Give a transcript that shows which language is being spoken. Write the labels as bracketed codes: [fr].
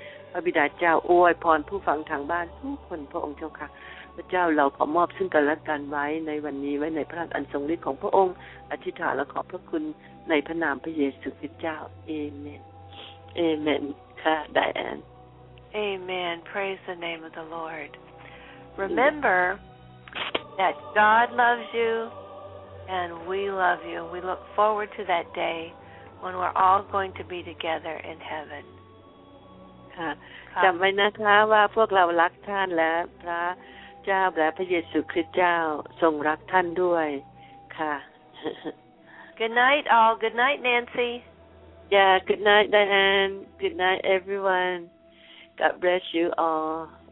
[th] พระบิดาเจ้าอวยพรผู้ฟังทางบ้านทุกคนพระองค์เจ้าค่ะพระเจ้าเราขอมอบซึ่งกันและกันไว้ในวันนี้ไว้ในพระหัตถ์อันทรงฤทธิ์ของพระองค์อธิษฐานและขอบพระคุณในพระนามพระเยซูคริสต์เจ้าเอเมนเอเมนค่ะดิแอน [en] เอเมน praise the name of the Lord remember yeah. that God loves you and we love you. We look forward to that day when we're all going to be together in heaven. [th] จำไว้นะคะว่าพวกเรารักท่านและพระเจ้าและพระเยซูคริสต์เจ้าทรงรักท่านด้วยค่ะ [en] Good night all. Good night Nancy. Yeah, good night Diane. Good night everyone. God bless you all.